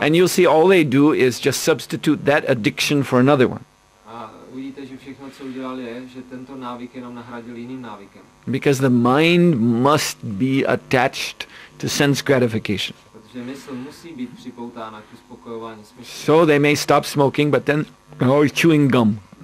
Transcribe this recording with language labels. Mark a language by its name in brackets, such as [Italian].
[English] And you'll see all they do is just substitute that addiction for another one. [Czech] A uvidíte, že všechno, co udělali, je, že tento návyk jenom nahradil jiným návykem. [English] Because the mind must be attached to sense gratification. [Czech] Protože mysl musí být připoutána k uspokojování smyslu. [English] So they may stop smoking, but then they're always chewing gum.